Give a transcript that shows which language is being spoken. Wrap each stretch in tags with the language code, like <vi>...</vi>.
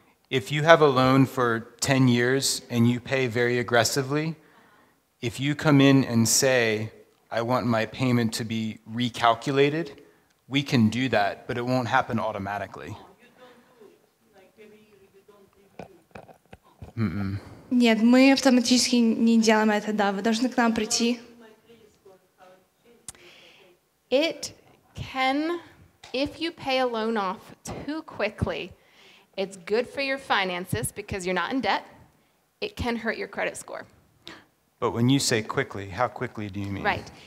<en>If you have a loan for 10 years and you pay very aggressively, if you come in and say, I want my payment to be recalculated, we can do that, but it won't happen automatically.</en> <ru>Нет, мы автоматически не делаем это, да. Вы должны к нам прийти.</ru> <en>It can, if you pay a loan off too quickly, it's good for your finances because you're not in debt. It can hurt your credit score. But when you say quickly, how quickly do you mean? Right.</en>